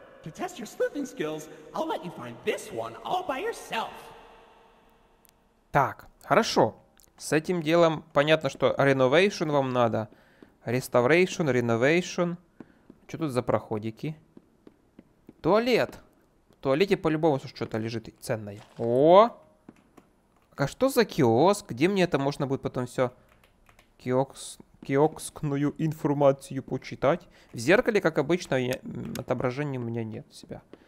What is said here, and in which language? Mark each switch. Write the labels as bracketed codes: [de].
[en] To test your sleuthing skills, I'll let you find this one all by yourself. [ru] Так, хорошо. С этим делом понятно, что renovation вам надо. [en] Restoration, renovation. [ru] Что тут за проходики? Туалет. В туалете по-любому что-то лежит ценное. О! А что за киоск? Где мне это можно будет потом все... Киоскную информацию почитать. В зеркале, как обычно, отображения у меня нет себя.